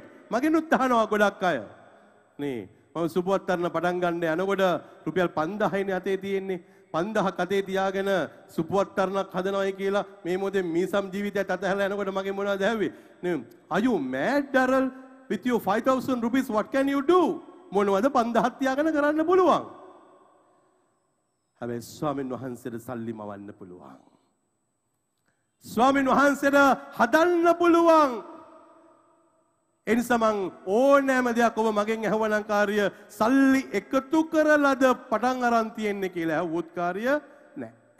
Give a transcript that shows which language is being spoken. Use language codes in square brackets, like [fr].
[si] මගෙන් උත්හනවා ගොඩක් අය. නේ. මම සුබවත් තරණ පටන් ගන්න යනකොට රුපියල් 5000 අතේ තියෙන්නේ. 5000ක් අතේ තියාගෙන සුබවත් තරණක් හදනවායි කියලා මේ මොදේ මීසම් ජීවිතයත් අතහැරලා යනකොට මගෙන් මොනවද ඇහුවේ? [en] නේ. Are you mad, Daryl? With your 5000 rupees, what can you do? [si] මොනවද 5000ක් තියාගෙන කරන්න පුළුවන්? හැබැයි ස්වාමීන් වහන්සේට සල්ලි මවන්න පුළුවන්. ස්වාමීන් වහන්සේට හදන්න පුළුවන්. එනිසා මං ඕනෑම දෙයක් ඔබ මගෙන් ඇහුවනම් කාර්ය සල්ලි එකතු කරලාද පටන් අරන් තියෙන්නේ කියලා ඇහුවොත් කාර්ය නැහැ.